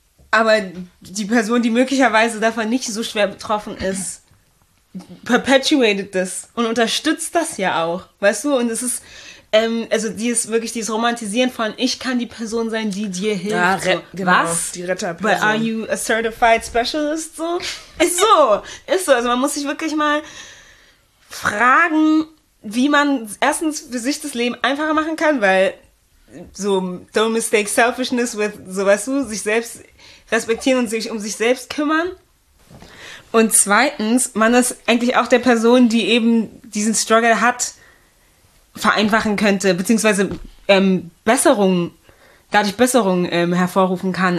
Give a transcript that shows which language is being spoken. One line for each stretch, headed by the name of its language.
German: Aber die Person, die möglicherweise davon nicht so schwer betroffen ist, perpetuated das und unterstützt das ja auch, weißt du? Und es ist, also die ist wirklich dieses Romantisieren von, ich kann die Person sein, die dir hilft. Ja, die Retterperson.
English: But are you a certified specialist?
German: So? Ist so. Also man muss sich wirklich mal fragen, wie man erstens für sich das Leben einfacher machen kann, weil so
English: don't mistake selfishness with,
German: so weißt du, sich selbst respektieren und sich um sich selbst kümmern. Und zweitens, man das eigentlich auch der Person, die eben diesen Struggle hat, vereinfachen könnte, beziehungsweise dadurch Besserung hervorrufen kann.